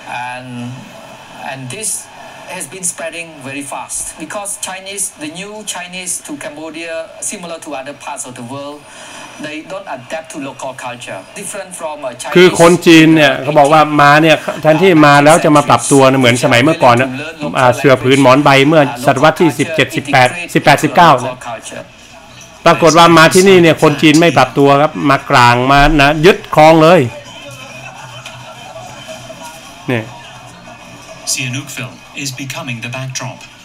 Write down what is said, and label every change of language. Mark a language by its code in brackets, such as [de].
[en] and this has been spreading very fast because Chinese the new Chinese to Cambodia similar to other parts of the world they don't adapt to local culture different from [th] คือคนจีนเนี่ยเขาบอกว่ามาเนี่ยแทนที่มาแล้วจะมาปรับตัวเหมือนสมัยเมื่อก่อนนะเสื้อผืนหมอนใบเมื่อศตวรรษที่17 18 18 19นะปรากฏว่ามาที่นี่เนี่ยคนจีนไม่ปรับตัวครับมากลางมานะยึดครองเลยเนี่ย [en] Sihanoukville is becoming the backdrop